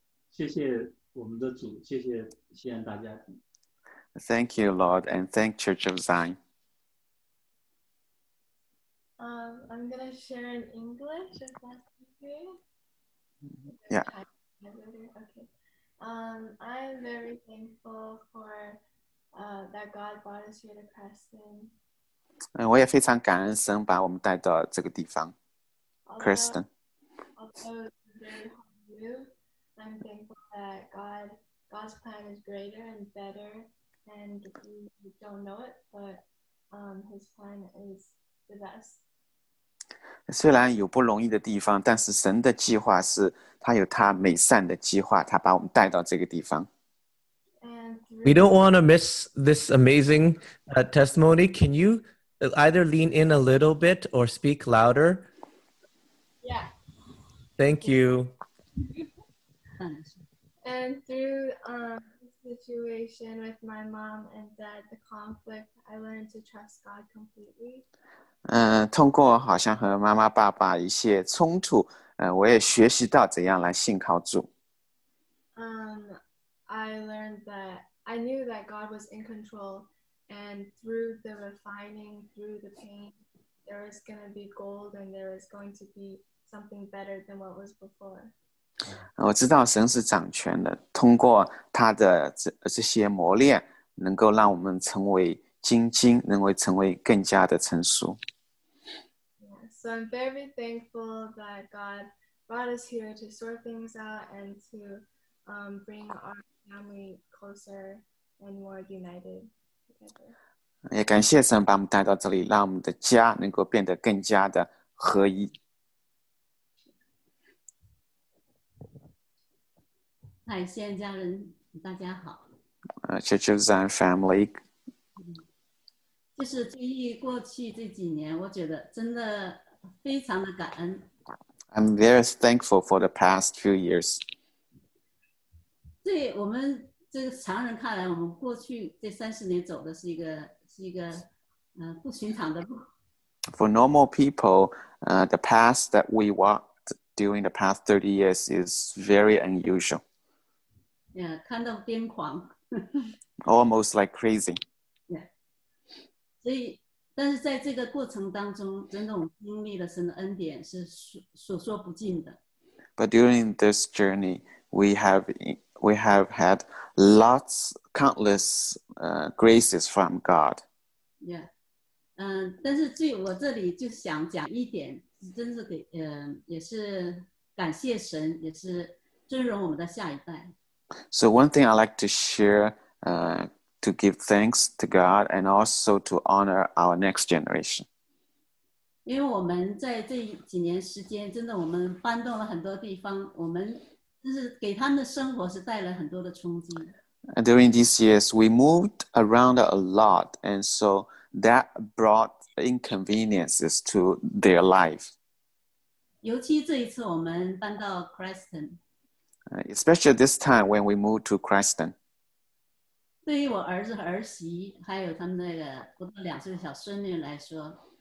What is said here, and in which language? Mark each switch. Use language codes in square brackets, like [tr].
[zh] 谢谢我们的主，谢谢西安大家庭。 [en] Thank you, Lord, and thank Church of Zion. I'm going to share in English, if that's okay. Yeah. Okay. I'm very thankful for that God brought us here to Creston. [zh] 我也非常感恩神把我们带到这个地方 Creston. [en] Although very hard to do, I'm thankful that God's plan is greater and better. And we don't know it, but his plan is the best. [zh] 虽然有不容易的地方，但是神的计划是他有他美善的计划，他把我们带到这个地方。 [en] We don't want to miss this amazing testimony. Can you either lean in a little bit or speak louder? Yeah. Thank you. And through situation with my mom and dad, the conflict, I learned to trust God completely. [zh] 通过好像和妈妈爸爸一些冲突，我也学习到怎样来信靠主。 [en] I learned that I knew that God was in control, and through the refining, through the pain, there is going to be gold, and there is going to be something better than what was before. [zh] 我知道神是掌权的，通过他的 这些磨练能够让我们成为精进，能够成为更加的成熟。 [en] Yeah, so I'm very thankful that God brought us here to sort things out and to bring our family closer and more united together. [zh] 也感谢神把我们带到这里，让我们的家能够变得更加的合一。嗨，西安家人，大家好。 [en] Church of Zion family。 [zh] 就是经历过去这几年，我觉得真的非常的感恩。 [en] I'm very thankful for the past few years。 [zh] 对我们这个常人看来，我们过去这三十年走的是一个不寻常的路。 [en] For normal people, the path that we walked during the past 30 years is very unusual. Yeah, kind of [zh] 癫狂 [en] Almost like crazy. Yeah. [zh] 所以但是在这个过程当中真的我们经历了神的恩典是所说不尽的。 [en] But during this journey, we have had lots, countless graces from God. Yeah. [zh] 但是至于我这里就想讲一点真是给也是感谢神也是尊荣我们的下一代。 [en] So one thing I'd like to share to give thanks to God and also to honor our next generation. During these years, we moved around a lot, and so that brought inconveniences to their life. [zh] 尤其这一次我们搬到 Creston. [en] Especially this time when we moved to Creston. [zh] 对于我儿子和儿媳还有他们那个不到两岁的小孙女来说